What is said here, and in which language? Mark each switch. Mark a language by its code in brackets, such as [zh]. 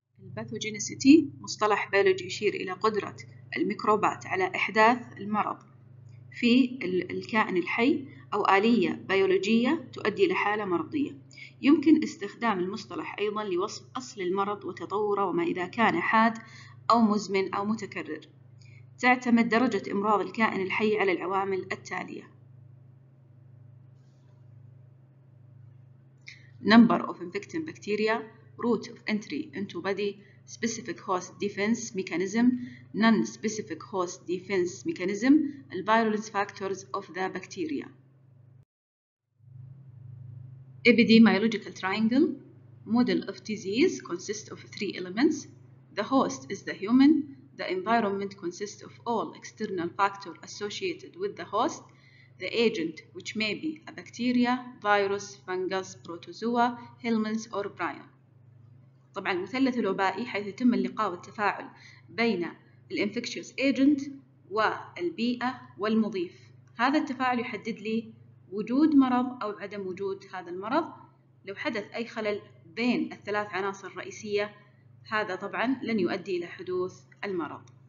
[ar] الباثوجينيسيتي مصطلح بيولوجي يشير إلى قدرة الميكروبات على إحداث المرض في الكائن الحي أو آلية بيولوجية تؤدي لحالة مرضية. يمكن استخدام المصطلح أيضاً لوصف أصل المرض وتطوره وما إذا كان حاد أو مزمن أو متكرر. تعتمد درجة إمراض الكائن الحي على العوامل التالية: [en] Number of infecting bacteria, route of entry into body, specific host defense mechanism, non-specific host defense mechanism, virulence factors of the bacteria. Epidemiological triangle model of disease consists of three elements. The host is the human. The environment consists of all external factors associated with the host. The agent, which may be a bacteria, virus, fungus, protozoa, helminths, or prion. [ar] طبعا المثلث الوبائي حيث يتم اللقاء والتفاعل بين الانفكشيوس ايجنت والبيئة والمضيف. هذا التفاعل يحدد لي وجود مرض أو عدم وجود هذا المرض. لو حدث أي خلل بين الثلاث عناصر الرئيسية هذا طبعا لن يؤدي إلى حدوث المرض.